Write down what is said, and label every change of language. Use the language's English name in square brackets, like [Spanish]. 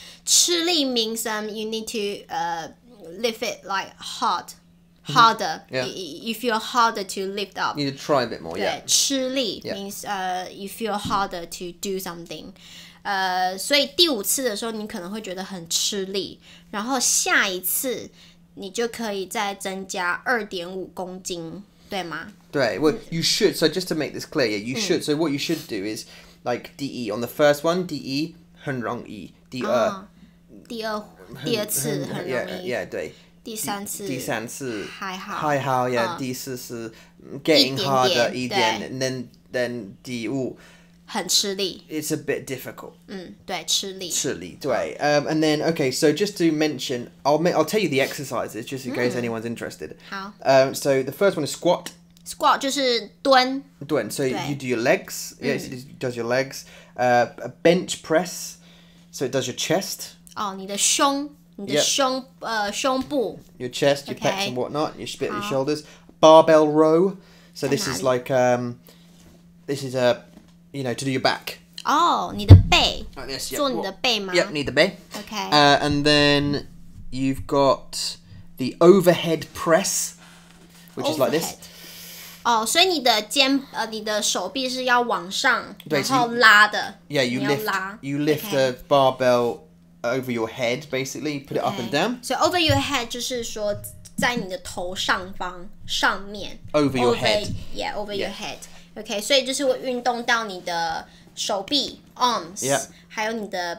[English] 吃力 means you need to lift it like hard. Harder, you feel harder to lift up. You need to try a bit more, yeah. 吃力 means you feel harder to do something. [Chinese] 所以第五次的时候你可能会觉得很吃力，然后下一次你就可以再增加 2.5 公斤，对吗？ [English] 对, well, you should, so just to make this clear, yeah, you should, so what you should do is, like, DE, on the first one, DE, [Chinese] 很容易, 第二次, 很容易, [English] yeah, [Chinese] 对。第三次还好 [English] yeah, [Chinese] 第四是 [English] getting [Chinese] 一点点 [English] harder [Chinese] 一点 [English] then [Chinese] 第五很吃力 [English] it's a bit difficult [Chinese] 对吃力对、 [English] and then okay so just to mention I'll tell you the exercises just in case anyone's interested [Chinese] 好、 [English] so the first one is squat [Chinese] 就是蹲蹲 [English] so you do your legs yes it does your legs a bench press so it does your chest [Chinese] 哦你的胸你的胸, [English] yep. [Chinese] 胸部 [English] your chest, your pecs and whatnot, your spit, your shoulders. Barbell row. So this is like, this is a, you know, to do your back. Oh, [Chinese] 你的背. [English] Like this, yep. [Chinese] 做你的背吗? [English] Yep, [Chinese] 你的背. [English] Okay. And then you've got the overhead press, which overhead. Is like this. [Chinese] 哦、 [English] oh, [Chinese] ，所以你的肩你的手臂是要往上，对然后拉的。 [English] So、yeah, you lift. You lift the、 okay. barbell. Over your head, basically, put it up and down. So over your head [Chinese] 就是说在你的头上方上面 [English] Over your head. Yeah, over your head. Okay, [Chinese] 所以就是会运动到你的手臂 [English] arms, [Chinese] 还有你的